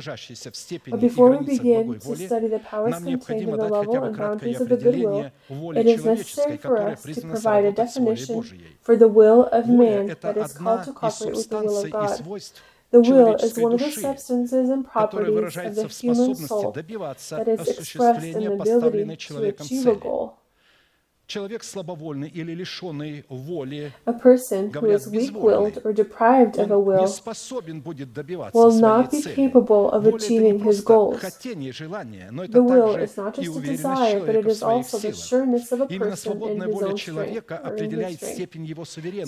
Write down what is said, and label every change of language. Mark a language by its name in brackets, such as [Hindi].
[English] But before we begin to study the powers contained in the level and boundaries of the good will, it is necessary for us to provide a definition for the will of man that is called to cooperate with the will of God. The will is one of the substances and properties of the human soul that is expressed in the ability to achieve a goal. [Russian] Человек слабовольный или лишённый воли, [English] a person who is weak-willed or deprived of a will will not be capable of achieving his goals. The will is not just a desire, but it is also the sureness of a person in his own strength.